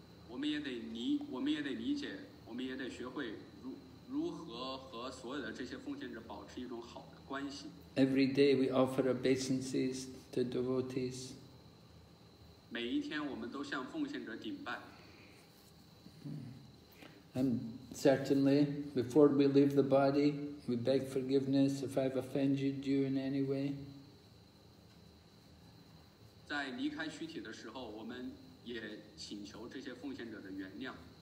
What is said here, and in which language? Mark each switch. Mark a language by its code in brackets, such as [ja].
[zh] 我们也得理解，我们也得学会如何和所有的这些奉献者保持一种好的关系。 [en] Every day we offer obeisances to devotees. [zh] 每一天我们都向奉献者顶拜。 [en] And certainly, before we leave the body, we beg forgiveness if I've offended you in any way. [zh] 在离开躯体的时候，我们也请求这些奉献者的原谅。